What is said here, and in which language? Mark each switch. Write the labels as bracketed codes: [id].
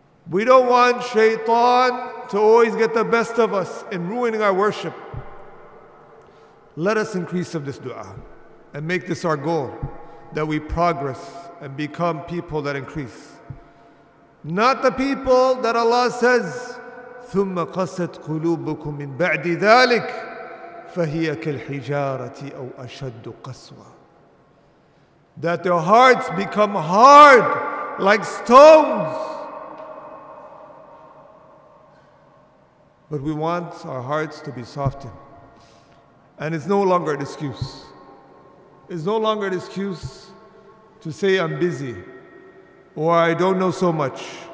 [en] We don't want shaitan to always get the best of us in ruining our worship. Let us increase of this dua and make this our goal, that we progress and become people that increase. Not the people that Allah says, [ar] ثُمَّ قَسَتْ قُلُوبُكُمْ مِنْ بَعْدِ ذَلِكَ فَهِيَ كَالْحِجَارَةِ أَوْ أَشَدُّ قَسْوَةً. [en] That their hearts become hard like stones. But we want our hearts to be softened. And it's no longer an excuse. It's no longer an excuse to say I'm busy or I don't know so much.